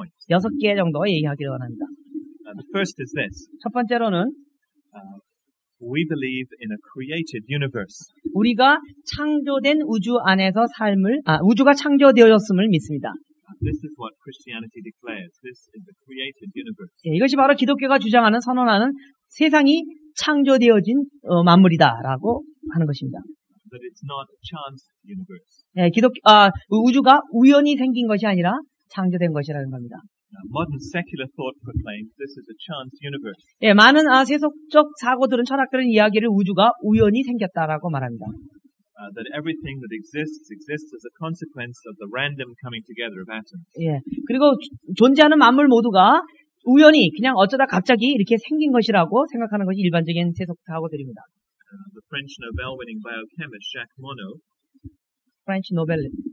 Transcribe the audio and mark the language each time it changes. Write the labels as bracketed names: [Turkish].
[Korean] 여섯 개 정도 얘기하기를 원합니다. [English] The first is this. [Korean] 첫 번째로는 [English] we believe in a created universe. [Korean] 우리가 창조된 우주 안에서 삶을 우주가 창조되어졌음을 믿습니다. [English] This is what Christianity declares. This is a created universe. [Korean] 예, 이것이 바로 기독교가 주장하는 선언하는 세상이 창조되어진 만물이다라고 하는 것입니다. [English] But it's not a chance universe. [Korean] 예, 우주가 우연히 생긴 것이 아니라 창조된 것이라는 겁니다. [English] Modern secular thought proclaims this is a chance universe. [Korean] 예, 많은 세속적 사고들은 철학들은 이야기를 우주가 우연히 생겼다라고 말합니다. [English] That everything that exists exists as a consequence of the random coming together of atoms. [Korean] 예, 그리고 존재하는 만물 모두가 우연히 그냥 어쩌다 갑자기 이렇게 생긴 것이라고 생각하는 것이 일반적인 세속 사고들입니다. [English] The French Nobel-winning biochemist Jacques Monod. French Nobel.